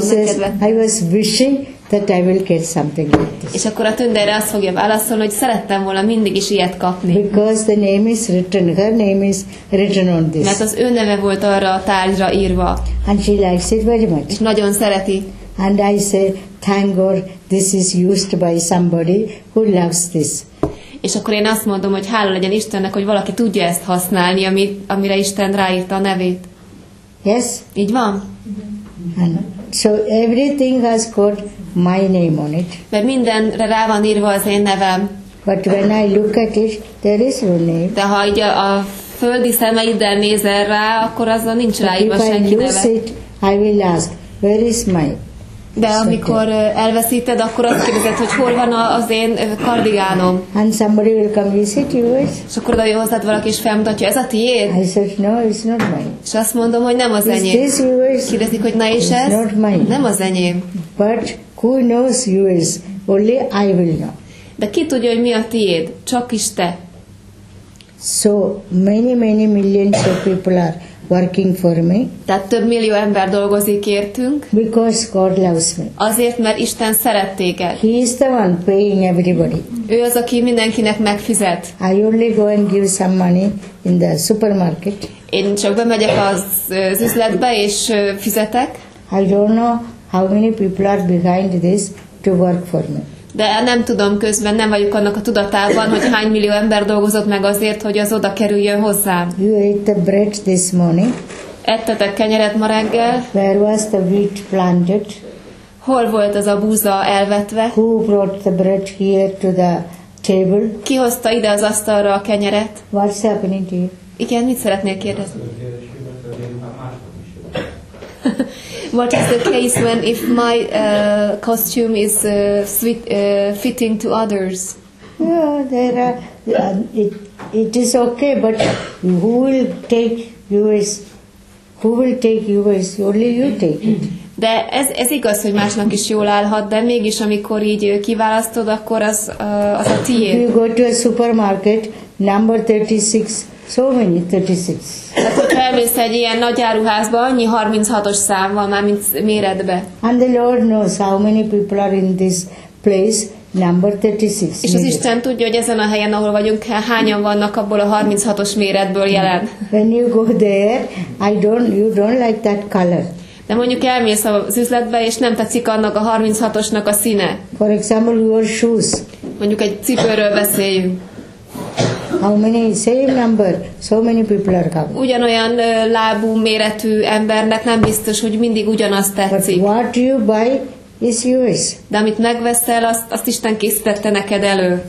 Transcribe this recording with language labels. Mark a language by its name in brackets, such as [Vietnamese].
[English] She says, I was wishing that I will get something like this. [Hungarian] És akkor a Tündére azt fogja válaszolni, hogy szerettem volna mindig is ilyet kapni. [English] Because the name is written, her name is written on this. [Hungarian] Mert az ő neve volt arra a tárgyra írva. [English] And she likes it very much. [Hungarian] És nagyon szereti. [English] And I say, thank God, this is used by somebody who loves this. [Hungarian] És akkor én azt mondom, hogy hála legyen Istennek, hogy valaki tudja ezt használni, amire Isten ráírta a nevét. [English] Yes? [Hungarian] Így van? [English] And so everything has got my name on it. [Hungarian] Mert mindenre rá van írva az én nevem. [English] But when I look at it, there is no name. [Hungarian] De ha így a földi szemeiddel nézel rá, akkor azzal nincs ráírva senki neve. [English] If I lose it, I will ask, where is my... [Hungarian] De amikor elveszíted, akkor azt kérdezed, hogy hol van az én kardigánom. [English] And somebody will come visit yours. [Hungarian] És akkor oda jön hozzád valaki és felmutatja, ez a tiéd? [English] I said, no, it's not mine. [Hungarian] És azt mondom, hogy nem az enyém. [English] Is this yours? [Hungarian] Kérdezik, hogy na és ez? [English] It's not mine. [Hungarian] Nem az enyém. [English] But who knows yours? Only I will know. [Hungarian] De ki tudja, hogy mi a tiéd? Csak is te. [English] So many, many millions of people are working for me. [Hungarian] Tehát több millió ember dolgozik értünk. [English] Because God loves me. [Hungarian] Azért, mert Isten szeret téged. [English] He is the one paying everybody. [Hungarian] Ő az, aki mindenkinek megfizet. [English] I only go and give some money in the supermarket. [Hungarian] Én csak bemegyek az üzletbe és fizetek. [English] I don't know how many people are behind this to work for me. [Hungarian] De nem tudom közben, nem vagyok annak a tudatában, hogy hány millió ember dolgozott meg azért, hogy az oda kerüljön hozzám. [English] You ate the bread this morning. [Hungarian] Ettetek kenyeret ma reggel. [English] Where was the wheat planted? [Hungarian] Hol volt az a búza elvetve? [English] Who brought the bread here to the table? [Hungarian] Ki hozta ide az asztalra a kenyeret? [English] What's happening to you? [Hungarian] Igen, mit szeretnél kérdezni? [English] What is the case when if my costume is fitting to others? Yeah, there are, it is okay, but who will take yours? Who will take yours? Only you take it. [Hungarian] De ez igaz, hogy másnak is jól állhat, de mégis amikor így kiválasztod, akkor az a tiéd. [English] You go to a supermarket, number 36. So many 36. [Hungarian] Tehát, hogy felmész egy ilyen nagy áruházba, annyi 36-os szám van már, mint méretbe. [English] And the Lord knows how many people are in this place, number 36. [Hungarian] És az Isten tudja, hogy ezen a helyen, ahol vagyunk, hányan vannak abból a 36-os méretből jelen. [English] When you go there, you don't like that color. [Hungarian] De mondjuk elmész az üzletbe, és nem tetszik annak a 36-osnak a színe. [English] For example, your shoes. [Hungarian] Mondjuk egy cipőről beszéljünk. [English] How many same number? So many people are coming. [Hungarian] Ugyanolyan lábú méretű embernek nem biztos, hogy mindig ugyanazt tetszik. [English] But what you buy is yours. [Hungarian] De amit megveszel, azt Isten készítette neked elő.